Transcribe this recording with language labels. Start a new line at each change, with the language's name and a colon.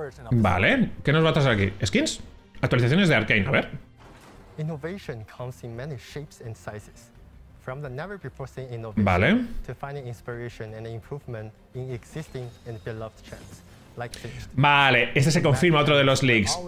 Spanish: Vale, ¿qué nos va a traer aquí? ¿Skins? Actualizaciones de Arcane, a ver.
English: Innovation comes in many shapes and sizes. From the never before seen innovation, ¿vale?, to finding inspiration and improvement in existing and beloved trends.
Spanish: Vale, este se confirma otro de los leaks.